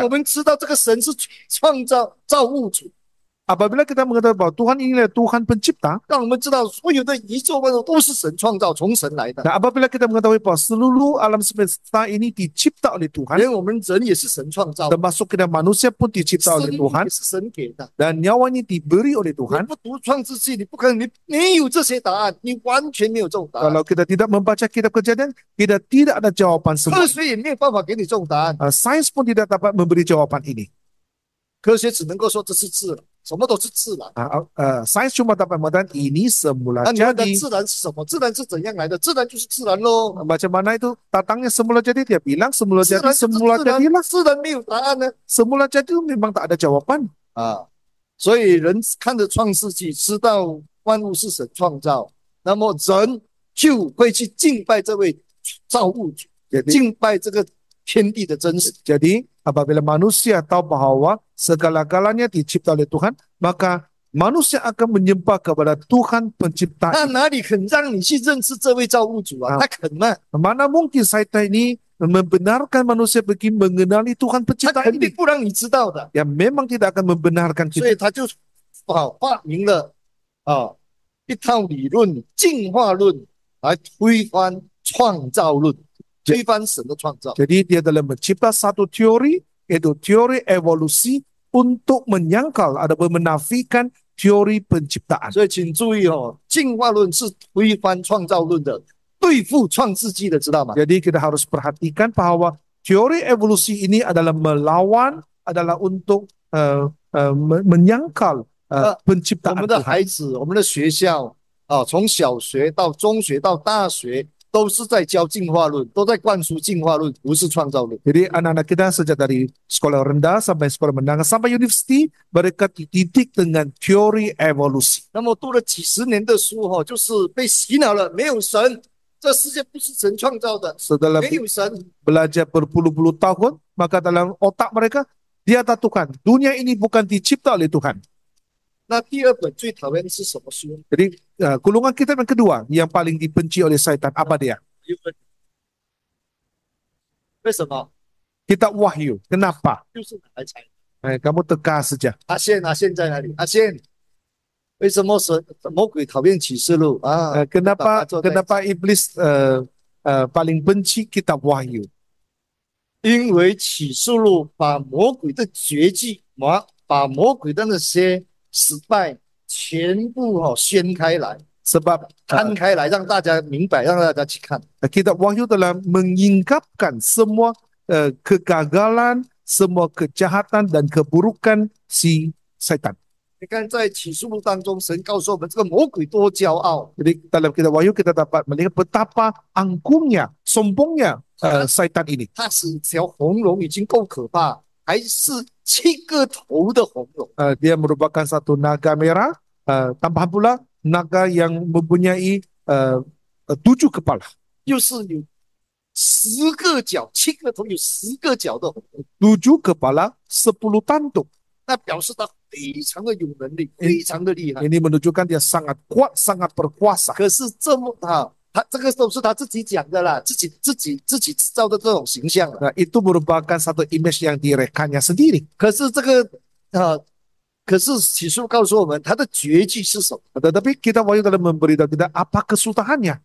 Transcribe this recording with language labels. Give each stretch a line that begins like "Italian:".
Chinese: 让我们知道这个神是创造造物主。
Malay: Apabila kita mengetahui bahwa Tuhan ini adalah Tuhan pencipta,
Chinese: 让我们知道所有的宇宙万物都是神创造，从神来的。
Malay: Dan apabila kita mengetahui bahwa seluruh alam semesta ini dicipta oleh Tuhan,
Chinese: 连我们人也是神创造。
Malay: Termasuk kita manusia pun dicipta oleh Tuhan,
Chinese: 生命也是神给的。
Malay: Dan nyawanya diberi oleh Tuhan.
Chinese: 你不读创世纪，你不可能，你有这些答案，你完全没有这种答案。
Malay: Kalau kita tidak membaca kitab kejadian, kita tidak ada jawaban semua.
Chinese: 科学也没有办法给你这种答案。
Malay: Science pun tidak dapat memberi jawaban ini.
Chinese: 科学只能够说这是自然。什么都是自然。
Malay: Sains cuma dapat mengatakan ini semula jadi.
Chinese: 那你问的自然是什么？自然是怎样来的？自然就是自然咯。
Malay: Bagaimana itu datangnya semula jadi? Dia bilang semula jadi, semula jadilah.
Chinese: 自然没有答案呢。
Malay: Semula jadi itu memang tak ada jawaban.
Chinese: 啊，所以人看着创世纪，知道万物是神创造，那么人就会去敬拜这位造物主，敬拜这个天地的真神。
Malay: Jadi apabila manusia tahu bahwa segala-galanya dicipta oleh Tuhan, maka manusia akan menyembah kepada Tuhan pencipta.
Chinese: 他哪里肯让你去认识这位造物主啊？他肯吗？
Malay: Mana mungkin syaitan ini membenarkan manusia bagi mengenali Tuhan pencipta ini?
Chinese: 他肯定不让你知道的。
Malay: Ya, memang tidak akan membenarkan kita.
Chinese: 所以他就发明了一套理论，进化论，来推翻创造论。推翻神的创造。
Malay: Jadi dia dalam mencipta satu teori, yaitu teori evolusi untuk menyangkal atau menafikan teori penciptaan.
Chinese: 所以请注意哦，进化论是推翻创造论的，对付创世纪的，知道吗？
Malay: Jadi kita harus perhatikan bahwa teori evolusi ini adalah melawan, adalah untuk menyangkal penciptaan Tuhan.
Chinese: 我们的孩子，我们的学校啊，从小学到中学到大学。都是在教进化论，都在灌输进化论，不是创造论。
Malay: Jadi anak-anak kita sejak dari sekolah rendah sampai sekolah menengah sampai university mereka dididik dengan teori evolusi.
Chinese: 那么读了几十年的书哈，就是被洗脑了，没有神，这世界不是神创造的。
Malay: Setelah
Chinese: 没有神
Malay: belajar berpuluh-puluh tahun, maka dalam otak mereka dia tak Tuhan. Dunia ini bukan dicipta oleh Tuhan.
Chinese: 那第二本最讨厌的是什么书？
Malay: Jadi gulungan kitab yang kedua yang paling dibenci oleh syaitan apa dia?
Chinese: 为什么？
Malay: Kitab Wahyu. Kenapa?
Chinese: 就是拿来猜。
Malay: Kamu tegas saja.
Chinese: 阿宪，阿宪在哪里？阿宪，为什么神魔鬼讨厌启示录啊？
Malay: Kenapa iblis paling benci kitab Wahyu?
Chinese: 因为启示录把魔鬼的绝技，把魔鬼的那些失败。全部掀开来
Malay: sebab
Chinese: 摊开来让大家明白让大家去看
Malay: kitab Wahyu telah menyingkapkan semua kegagalan semua kejahatan dan keburukan si syaitan
Chinese: 你看在启示录当中神告诉我们这个魔鬼多骄傲
Malay: jadi dalam kitab Wahyu kita dapat melihat betapa angkuhnya sombongnya syaitan ini
Chinese: 他是条红龙已经够可怕还是七个头的红龙。
Malay: Dia merupakan satu naga merah, tambahan pula naga yang mempunyai tujuh kepala.
Chinese: 又是有十个角，七个头有十个角的红龙。
Malay: Tujuh kepala, sepuluh tanduk.
Chinese: 那表示他非常的有能力，非常的厉害。
Malay: Ini menunjukkan dia sangat kuat, sangat berkuasa.
Chinese: 可是这么大。这个都是他自己讲的啦，自己制造的这种形象。
Malay: Nah, itu merupakan satu image yang direkannya sendiri.
Chinese: 可是这个可是启示录告诉我们他的绝技是什么？
Malay: Tetapi kita wahyu telah memberitahu kita apa kesultahannya.